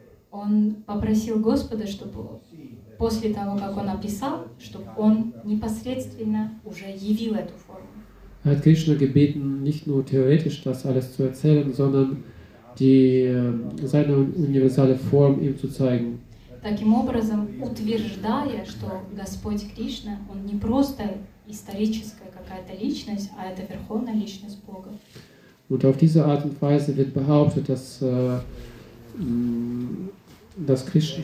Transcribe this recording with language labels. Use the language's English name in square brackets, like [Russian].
[Russian] Он попросил Господа, чтобы после того, как он описал, чтобы он непосредственно уже явил эту форму. [German] Er hat Krishna gebeten, nicht nur theoretisch das alles zu erzählen, sondern seine universale Form ihm zu zeigen. [Russian] таким образом утверждая, что Господь Кришна, Он не просто историческая какая-то личность, а это Верховная Личность Бога. [German] Und auf diese Art und Weise wird behauptet, dass, dass Krishna,